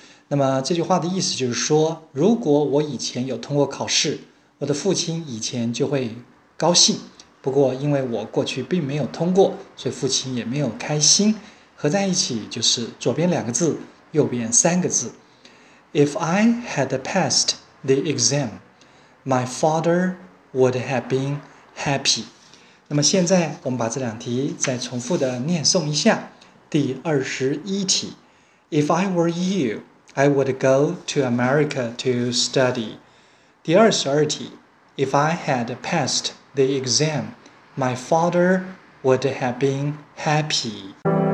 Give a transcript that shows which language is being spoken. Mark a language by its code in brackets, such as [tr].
[zh] 那么这句话的意思就是说，如果我以前有通过考试，我的父亲以前就会高兴，不过因为我过去并没有通过，所以父亲也没有开心。合在一起就是左边两个字，右边三个字。 [en] If I had passed the exam, my father would have been happy. [zh] 那么现在我们把这两题再重复的念诵一下。第21题 [en] If I were you, I would go to America to study. [zh] 第22题 [en] If I had passed the exam, my father would have been happy.